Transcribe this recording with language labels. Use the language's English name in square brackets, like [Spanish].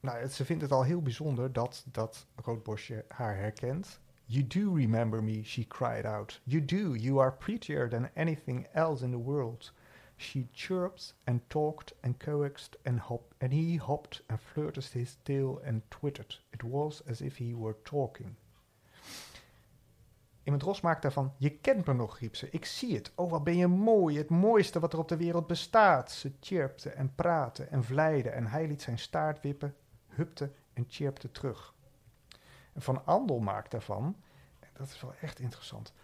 [Dutch] Ze vindt het al heel bijzonder dat roodborstje haar herkent. [English] You do remember me, she cried out. You do, you are prettier than anything else in the world. She chirped and talked and coaxed and hopped. And he hopped and flirted his tail and twittered. It was as if he were talking. [Dutch] In mijn dros maakte daarvan, je kent me nog, riep ze. Ik zie het. Oh, wat ben je mooi. Het mooiste wat er op de wereld bestaat. Ze chirpte en praatte en vleide. En hij liet zijn staart wippen, hupte en chirpte terug. En Van Andel maakte daarvan, en dat is wel echt interessant.